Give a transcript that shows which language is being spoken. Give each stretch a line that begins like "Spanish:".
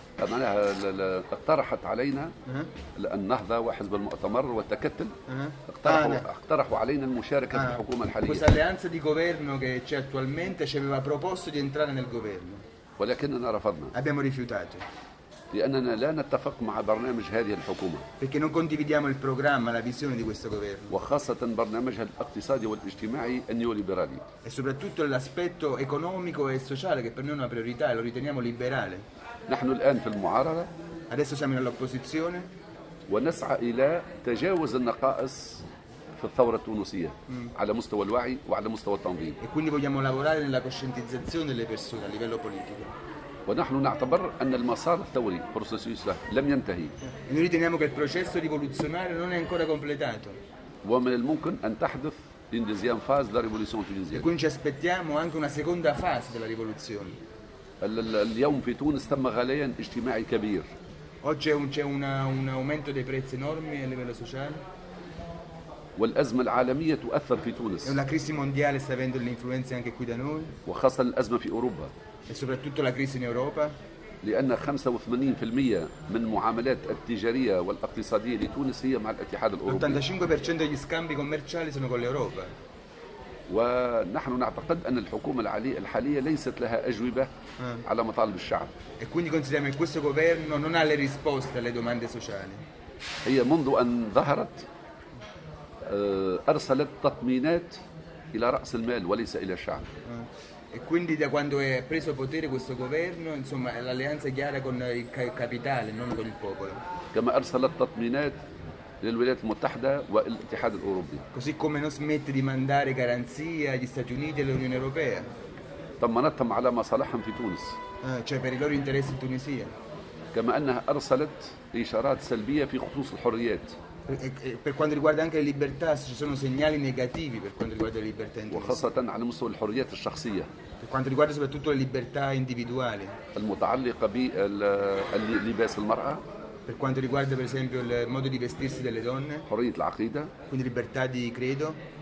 Arabic: معناها اقترحت علينا النهضة وحزب المؤتمر والتكتل اقترحوا علينا المشاركة في الحكومة الحالية.
Italian: Questa alleanza di governo che c'è attualmente ci aveva proposto di entrare nel governo.
Arabic: ولكننا رفضنا.
Italian: Abbiamo rifiutato.
Arabic: لأننا لا نتفق مع برنامج هذه الحكومة.
Italian: Perché non condividiamo il programma, la visione di questo governo.
Arabic: وخاصة برنامجها الاقتصادي والاجتماعي النيوليبرالي.
Italian: E soprattutto l'aspetto economico e sociale che per noi è una priorità e lo riteniamo liberale.
Arabic: نحن الآن في المعارضة.
Italian: Adesso siamo nell'opposizione.
Arabic: ونسعى إلى تجاوز النقائص في الثورة التونسية على مستوى الوعي وعلى مستوى التنظيم.
Italian: E quindi vogliamo lavorare nella coscientizzazione delle persone a livello politico.
Arabic: ونحن نعتبر أن المسار الثوري بروسيسوس لم ينتهي.
Italian: Noi riteniamo che il processo rivoluzionario non è ancora completato.
Arabic: ومن الممكن أن تحدث
French: in deuxième phase la révolution tunisienne.
Italian: E quindi ci aspettiamo anche una seconda fase della rivoluzione.
Arabic: اليوم في تونس تم غليان اجتماعي كبير.
Italian: Oggi c'è un aumento dei prezzi enormi a livello sociale.
Arabic: والأزمة العالمية تؤثر في تونس.
Italian: La crisi mondiale sta avendo delle influenze anche qui da noi.
Arabic: وخاصة الأزمة في أوروبا.
Italian: E soprattutto la crisi in Europa.
Arabic: لأن 85% من المعاملات التجارية والاقتصادية لتونس هي مع الاتحاد الأوروبي.
Italian: 85% degli scambi commerciali sono con l'Europa.
Arabic: ونحن نعتقد أن الحكومة الحالية ليست لها أجوبة على مطالب الشعب.
Italian: E quindi consideriamo che questo governo non ha le risposte alle domande sociali.
Arabic: هي منذ أن ظهرت أرسلت تطمينات إلى رأس المال وليس إلى الشعب.
Italian: E quindi da quando è preso potere questo governo, insomma, l'alleanza è chiara con il capitale, non con il popolo.
Arabic: كما أرسلت تطمينات للولايات المتحدة والاتحاد الأوروبي.
Italian: Così come non smette di mandare garanzie agli Stati Uniti e all'Unione Europea.
Arabic: طمنتهم على مصالحهم في تونس.
Italian: Cioè per i loro interessi in Tunisia.
Arabic: كما أنها أرسلت إشارات سلبية في خصوص الحريات.
Italian: Per quanto riguarda anche le libertà ci sono segnali negativi per quanto riguarda le libertà in
Arabic: وخاصة على مستوى الحريات الشخصية.
Italian: Per quanto riguarda soprattutto le libertà individuali.
Arabic: المتعلقة باللباس المرأة.
Italian: Per quanto riguarda per esempio il modo di vestirsi delle donne.
Arabic: حرية العقيدة.
Italian: Quindi libertà di credo.